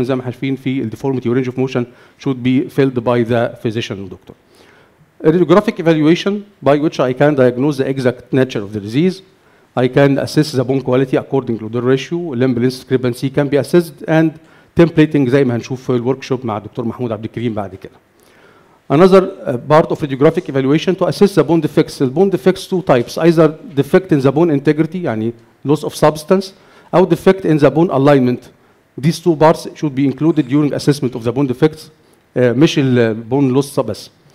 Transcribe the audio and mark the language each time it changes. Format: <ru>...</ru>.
<ar>زي ما عارفين في</ar> <en>deformity و range of motion should be filled by the physician doctor. Radiographic evaluation by which I can diagnose the exact nature of the disease. I can assess the bone quality according to the ratio. Limb length discrepancy can be assessed and templating</en> <ar>زي ما هنشوف في الوركشوب مع الدكتور محمود عبد الكريم بعد كده.</ar> <en>Another part of radiographic evaluation to assess the bone defects. The bone defects two types. Either defect in the bone integrity يعني loss of substance or defect in the bone alignment. These two parts should be included during assessment of the bone defects مش bone loss بس.</en>